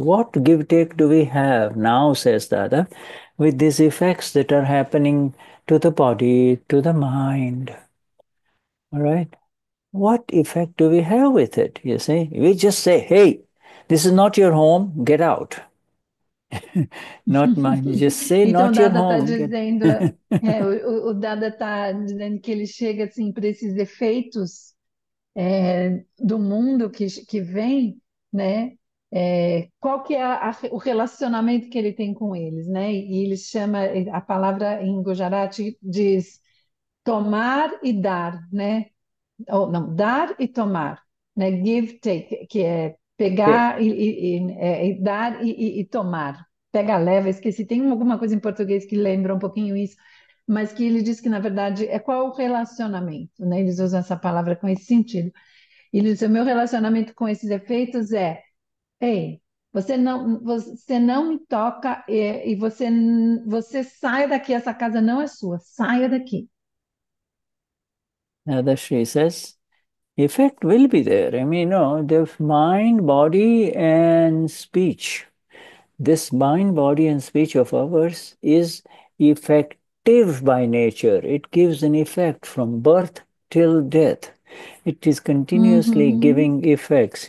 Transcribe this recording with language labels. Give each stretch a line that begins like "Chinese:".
English: What give take do we have now, says Dada, with these effects that are happening to the body, to the mind? All right. What effect do we have with it? You see, we just say, hey, this is not your home, get out. Not mine. You just say,
Portuguese: Então,
English: not your home, get
Portuguese: o Dada está dizendo que ele chega assim para esses efeitos do mundo que vem, né? Qual que é o relacionamento que ele tem com eles, né? E ele chama a palavra em Gujarati diz tomar e dar, né? Ou não, dar e tomar, né?
English: Give, take,
Portuguese: que é pegar e dar e tomar. Pega, leva, esqueci. Tem alguma coisa em português que lembra um pouquinho isso? mas que ele diz que, na verdade, é qual o relacionamento, né? Eles usam essa palavra com esse sentido. Ele diz: o meu relacionamento com esses efeitos é, ei, você não me toca e você sai daqui, essa casa não é sua, saia daqui.
English: Dadashri says, effect will be there. I mean, no, the mind, body, and speech. This mind, body, and speech of ours is effective by nature. It gives an effect from birth till death. It is continuously giving effects.